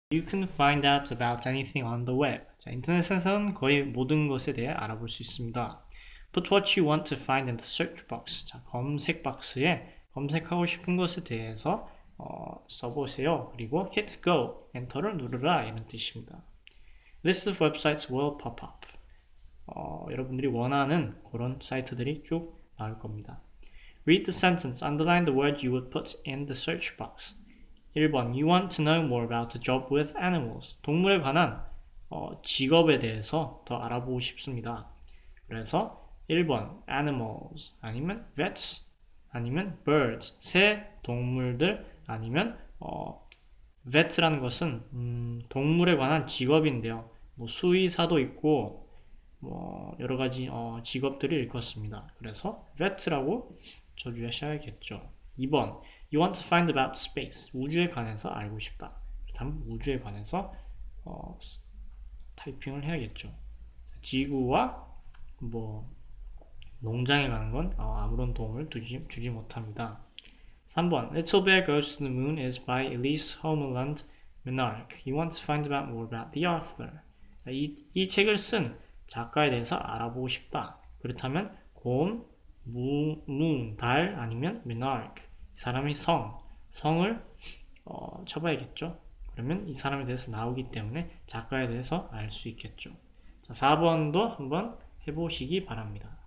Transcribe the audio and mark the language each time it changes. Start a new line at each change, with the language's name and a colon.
English: You can find out about anything on the web.
Korean: 인터넷에서는 거의 모든 것에 대해 알아볼 수 있습니다.
English: But what you want to find in the search box,
Korean: 검색 박스에 검색하고 싶은 것에 대해서 써보세요. 그리고
English: hit go,
Korean: 엔터를 누르라 이런 뜻입니다.
English: List of websites will pop up.
Korean: 여러분들이 원하는 그런 사이트들이 쭉 나올 겁니다.
English: Read the sentence, underline the words you would put in the search box. 1번, you want to know more about a job with animals.
Korean: 동물에 관한 직업에 대해서 더 알아보고 싶습니다. 그래서 1번, animals, 아니면 vets, 아니면 birds, 새, 동물들, 아니면 vets라는 것은 동물에 관한 직업인데요. 뭐 수의사도 있고 뭐 여러 가지 직업들이 일컫습니다. 그래서 vets라고 적으셔야겠죠. 2번,
English: You want to find about space.
Korean: 우주에 관해서 알고 싶다. 그렇다면 우주에 관해서 타이핑을 해야겠죠. 지구와 뭐 농장에 가는 건 아무런 도움을 주지 못합니다.
English: 3번. Little Bear Goes to the Moon is by Elise Homeland Mynarek. You want to find out more about the author.
Korean: 이 책을 쓴 작가에 대해서 알아보고 싶다. 그렇다면 곰, 문, 달 아니면 Mynarek. 사람이 성을 쳐봐야겠죠. 그러면 이 사람에 대해서 나오기 때문에 작가에 대해서 알수 있겠죠. 자, 4번도 한번 해보시기 바랍니다.